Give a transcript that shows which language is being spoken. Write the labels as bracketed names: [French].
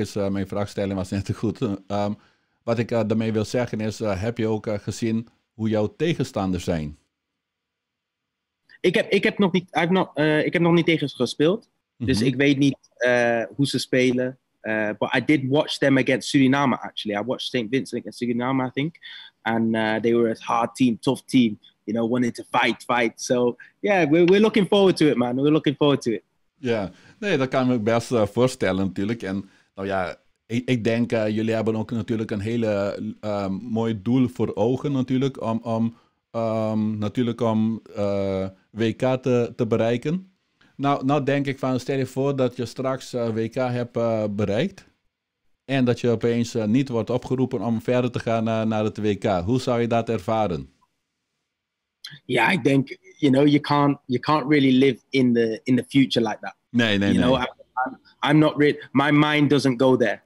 [Dutch] Mijn vraagstelling was net te goed. Wat ik daarmee wil zeggen is, heb je ook gezien hoe jouw tegenstanders zijn? Ik heb nog niet tegen ze gespeeld. Mm-hmm. Dus ik weet niet hoe ze spelen. [English] But I did watch them against Suriname, actually. I watched St. Vincent against Suriname, I think. And they were a hard team, tough team, you know, wanting to fight. So, yeah, we're looking forward to it, man. We're looking forward to it. [Dutch] Ja, nee, dat kan ik me best voorstellen, natuurlijk. En nou ja, ik denk, jullie hebben ook natuurlijk een hele mooi doel voor ogen, natuurlijk. Om WK te bereiken. Nou denk ik van, stel je voor dat je straks WK hebt bereikt en dat je opeens niet wordt opgeroepen om verder te gaan naar het WK. Hoe zou je dat ervaren? Ja, ik denk, [English] you know, you can't really live in the future like that. [Dutch] Nee. [English] You know, I'm not really, my mind doesn't go there.